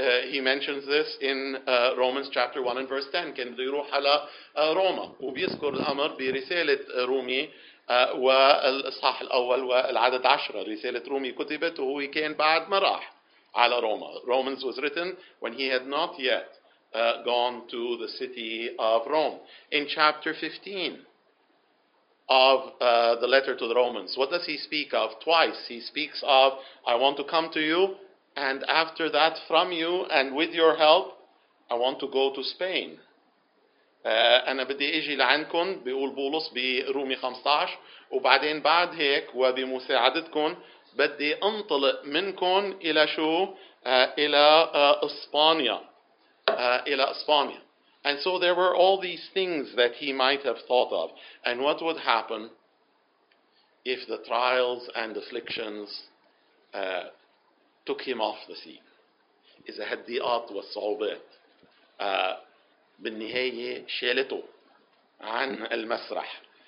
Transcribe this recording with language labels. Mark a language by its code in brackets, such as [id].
[en] He mentions this in Romans chapter 1 and verse 10. [ar] كان بده يروح على روما وبيذكر الأمر برسالة رومي والإصحاح الأول والعدد 10. رسالة رومي كتبت وهو كان بعد ما راح على روما. [en] Romans was written when he had not yet gone to the city of Rome. In chapter 15 of the letter to the Romans, what does he speak of? Twice he speaks of, I want to come to you, and after that from you and with your help, I want to go to Spain. [ar] أنا بدي إجي لعندكم, بيقول بولس برومي 15, وبعدين بعد هيك وبمساعدتكم بدي أنطلق منكم إلى شو؟ إلى إسبانيا. إلى إسبانيا. [en] And so there were all these things that he might have thought of. And what would happen if the trials and afflictions took him off the sea? [ar] إذا هالضيقات والصعوبات بالنهاية شالته عن المسرح.